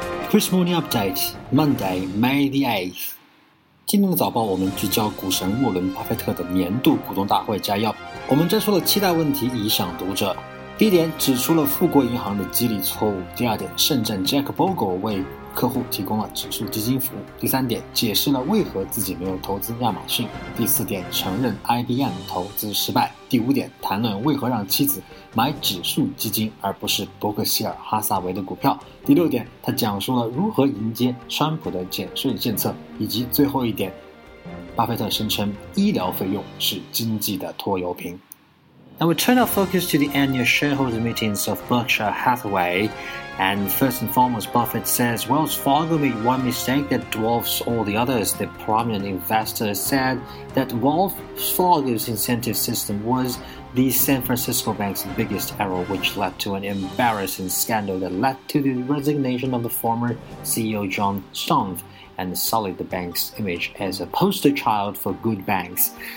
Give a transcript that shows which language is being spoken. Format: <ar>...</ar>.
<en>Chris Morning Update, Monday, May the 8th.</en> <zh>今天的早报我们聚焦股神沃伦·巴菲特的年度股东大会摘要。我们摘出了七大问题以赏读者。第一点，指出了富国银行的激励错误。第二点，圣战 Jack Bogle 为客户提供了指数基金服务。第三点，解释了为何自己没有投资亚马逊。第四点，承认 IBM 投资失败。第五点，谈论为何让妻子买指数基金而不是伯克希尔哈萨维的股票。第六点，他讲述了如何迎接川普的减税政策。以及最后一点，巴菲特声称医疗费用是经济的拖油瓶。</zh> <en>Now we turn our focus to the annual shareholder meetings of Berkshire Hathaway. And first and foremost, Buffett says Wells Fargo made one mistake that dwarfs all the others. The prominent investor said that Wells Fargo's incentive system was the San Francisco Bank's biggest error, which led to an embarrassing scandal that led to the resignation of the former CEO John Stumpf and sullied the bank's image as a poster child for good banks.</en>